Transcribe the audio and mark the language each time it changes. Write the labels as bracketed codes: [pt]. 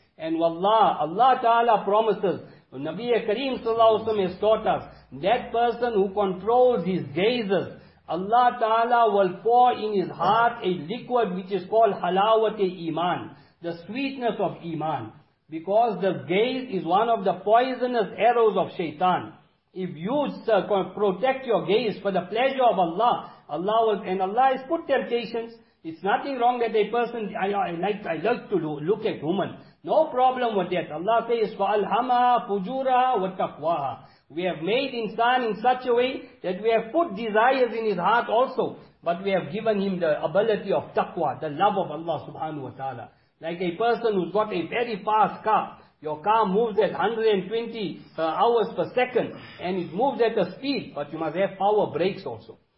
[en] And wallah, Allah Ta'ala promises, Nabi Kareem Sallallahu Alaihi Wasallam has taught us, that person who controls his gazes, Allah Ta'ala will pour in his heart a liquid which is called halawat-e-iman, the sweetness of iman. Because the gaze is one of the poisonous arrows of shaitan. If you protect your gaze for the pleasure of Allah, Allah will, and Allah has put temptations. It's nothing wrong that a person, I like to look at women. No problem with that. Allah says, [ar] فَأَلْهَمَا فُجُورَا وَتَقْوَاهَا. [en] We have made insan in such a way that we have put desires in his heart also, but we have given him the ability of taqwa, the love of Allah subhanahu wa ta'ala. Like a person who's got a very fast car. Your car moves at 120 hours per second and it moves at a speed, but you must have power brakes also.